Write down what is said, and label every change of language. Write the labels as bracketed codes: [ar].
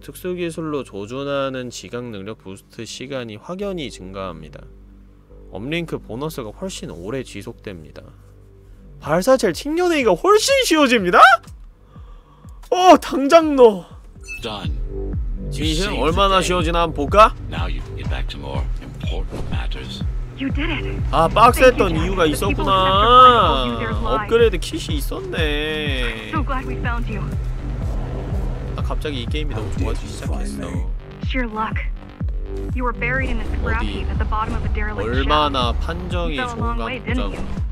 [ko] 특수기술로 조준하는 지각 능력 부스트 시간이 확연히 증가합니다. 업링크 보너스가 훨씬 오래 지속됩니다. 발사체를 튕겨내기가 훨씬 쉬워집니다? 어! 당장 너! 진실 얼마나 쉬워지나 한번 볼까? [en] Now you can get back to more important matters. You did it. [ko] 아, 빡세했던 이유가 있었구나. 업그레이드 킷이 있었네. [en] So glad we found you. [ko] 아, 갑자기 이 게임이 너무 좋아지기 시작했어. [en] Sheer luck. You were buried in this scrap heap at the bottom of a derelict ship. [ko] 얼마나 판정이 좋은가 보자고.